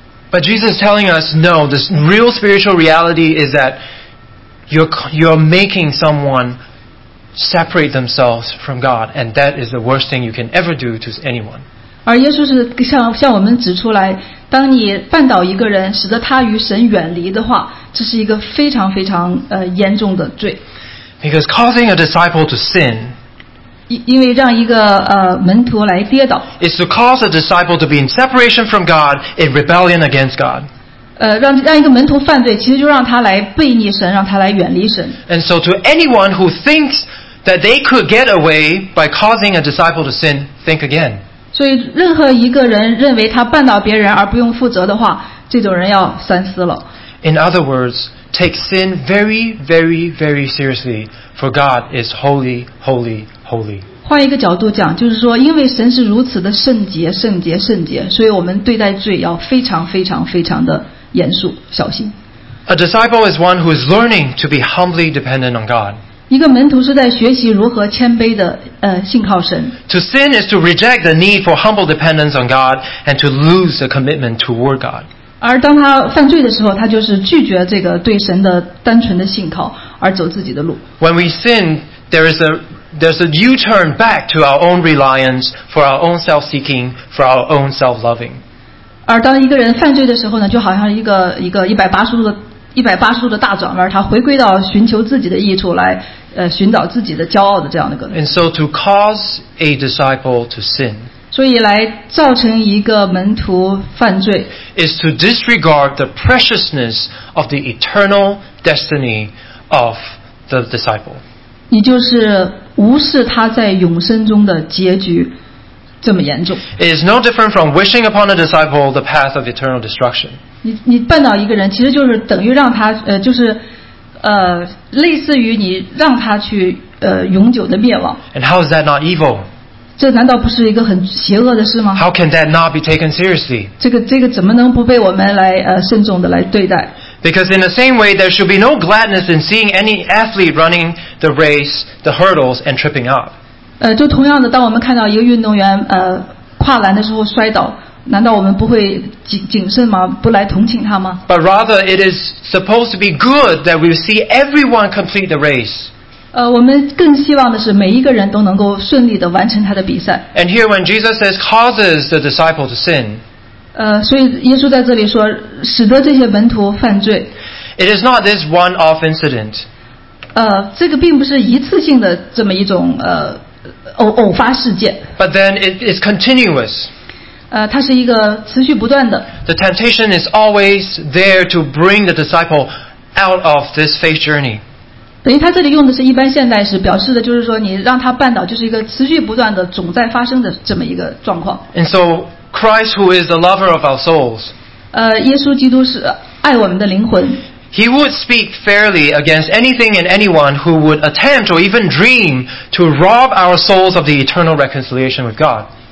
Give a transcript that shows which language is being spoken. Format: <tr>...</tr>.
<en>But Jesus is telling us, no, the real spiritual reality is that you're making someone. Separate themselves from God, and that is the worst thing you can ever do to anyone.</en> <zh>而耶稣是向我们指出来，当你绊倒一个人，使得他与神远离的话，这是一个非常非常严重的罪。</zh> <en>Because causing a disciple to sin,</en> <zh>因为让一个门徒来跌倒</zh> <en>is to cause a disciple to be in separation from God, in rebellion against God.</en> <zh>让一个门徒犯罪，其实就让他来背逆神，让他来远离神。</zh> <en>And so, to anyone who thinks that they could get away by causing a disciple to sin, think again.</en> <zh>所以，任何一个人认为他绊倒别人而不用负责的话，这种人要三思了。</zh> <en>In other words, take sin very, very, very seriously, for God is holy, holy, holy.</en> <zh>换一个角度讲，就是说，因为神是如此的圣洁、圣洁、圣洁，所以我们对待罪要非常、非常、非常的严肃、小心。</zh> <en>A disciple is one who is learning to be humbly dependent on God.</en> <zh>一个门徒是在学习如何谦卑的信靠神。</zh> <en>To sin is to reject the need for humble dependence on God and to lose the commitment toward God.</en> <zh>而当他犯罪的时候，他就是拒绝这个对神的单纯的信靠，而走自己的路。</zh> <en>When we sin, there's a U-turn back to our own reliance for our own self-seeking, for our own self-loving.</en> <zh>而当一个人犯罪的时候呢，就好像一个180度的大转弯，他回归到寻求自己的益处来，寻找自己的骄傲的这样的一个。</zh> <en>And so to cause a disciple to sin.</en> <zh>所以来造成一个门徒犯罪</zh> <en>is to disregard the preciousness of the eternal destiny of the disciple.</en> <zh>你就是无视他在永生中的结局这么严重。</zh> <en>It is no different from wishing upon a disciple the path of eternal destruction.</en> <zh>你绊倒一个人，其实就是等于让他就是类似于你让他去永久的灭亡。</zh> <en>And how is that not evil?</en> <zh>这难道不是一个很邪恶的事吗？</zh> <en>How can that not be taken seriously?</en> <zh>这个怎么能不被我们来慎重的来对待？</zh> <en>Because in the same way, there should be no gladness in seeing any athlete running the race, the hurdles, and tripping up.</en> <zh>就同样的，当我们看到一个运动员跨栏的时候摔倒，难道我们不会谨慎吗？不来同情他吗？</zh> <en>But rather, it is supposed to be good that we see everyone complete the race.</en> <zh>我们更希望的是每一个人都能够顺利地完成他的比赛。</zh> <en>And here, when Jesus says causes the disciple to sin.</en> <zh>所以耶稣在这里说使得这些门徒犯罪。</zh> <en>It is not this one-off incident.</en> <zh>这个并不是一次性的这么一种偶发事件。</zh> <en>But then it is continuous.</en> <zh>它是一个持续不断的。</zh> <en>The temptation is always there to bring the disciple out of this faith journey.</en> <zh>等于他这里用的是一般现代时，表示的就是说你让他绊倒，就是一个持续不断的、总在发生的这么一个状况。</zh> <en>And so Christ, who is the lover of our souls,</en> <zh>耶稣基督是爱我们的灵魂。</zh> <en>He would speak fairly against anything and anyone who would attempt or even dream to rob our souls of the eternal reconciliation with God.</en>